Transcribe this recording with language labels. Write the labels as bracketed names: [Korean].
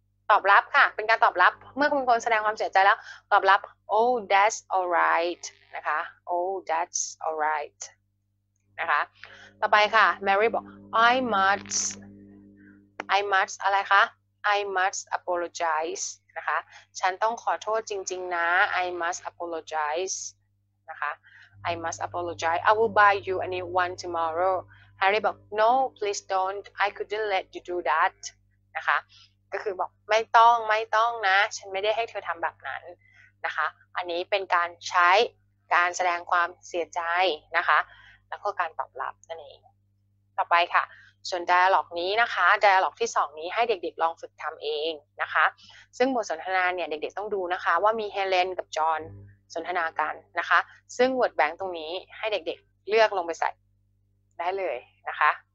[Thai] ตอบรับค่ะเป็นการตอบรับเมื่อคุณโกนแสดงความเสียใจแล้วตอบรับ [English] Oh that's alright [Thai] นะคะ Oh that's alright นะคะต่อไปค่ะแมรี่บอก I must อะไรคะ [English] I must apologize [Thai] นะคะฉันต้องขอโทษจริงๆนะ I must apologize นะคะ [English] I must apologize. I will buy you a new one tomorrow. Harry บอก No, please don't. I couldn't let you do that. [Thai] นะคะก็คือบอกไม่ต้องไม่ต้องนะฉันไม่ได้ให้เธอทำแบบนั้นนะคะอันนี้เป็นการใช้การแสดงความเสียใจนะคะแล้วก็การตอบรับนั่นเองต่อไปค่ะส่วน dialogue นี้นะคะ dialogue ที่2นี้ให้เด็กๆลองฝึกทำเองนะคะซึ่งบทสนทนาเนี่ยเด็กๆต้องดูนะคะว่ามีเฮเลนกับจอห์นสนทนากันนะคะซึ่ง word bank ตรงนี้ให้เด็กๆเลือกลงไปใส่ได้เลยนะคะ